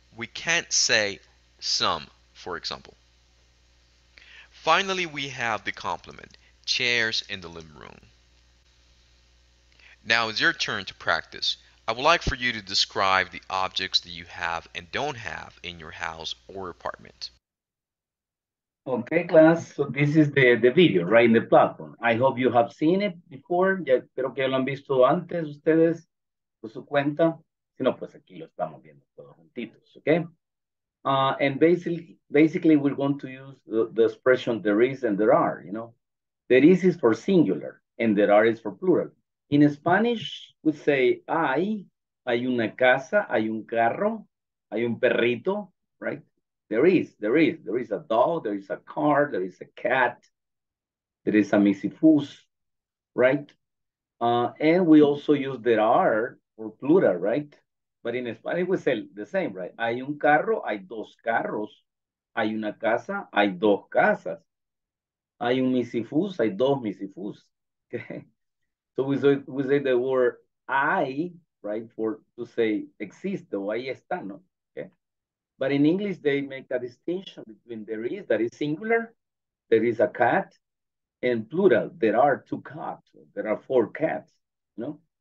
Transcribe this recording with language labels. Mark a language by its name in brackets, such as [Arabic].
[English] We can't say some, for example. Finally, we have the complement, chairs in the living room. Now it's your turn to practice. I would like for you to describe the objects that you have and don't have in your house or apartment. Okay, class, so this is the video, right, in the platform. I hope you have seen it before. [Spanish] Ya espero que lo han visto antes ustedes por su cuenta. Si no, pues aquí lo estamos viendo todos juntitos, okay? [English] And basically, we're going to use the expression there is and there are, you know. There is for singular and there are is for plural. In Spanish, we say hay, [Spanish] hay una casa, hay un carro, hay un perrito, [English] right? There is a dog, there is a car, there is a cat, there is a misifus, right? And we also use there are for plural, right? But in Spanish, we say the same, right? [Spanish] Hay un carro, hay dos carros. Hay una casa, hay dos casas. Hay un misifus, hay dos misifus. [English] Okay? So we say the word hay, right? For to say [Spanish] existe o ahí está, ¿no? [English] But in English, they make a distinction between there is, that is singular, there is a cat, and plural, there are two cats, there are four cats, you know?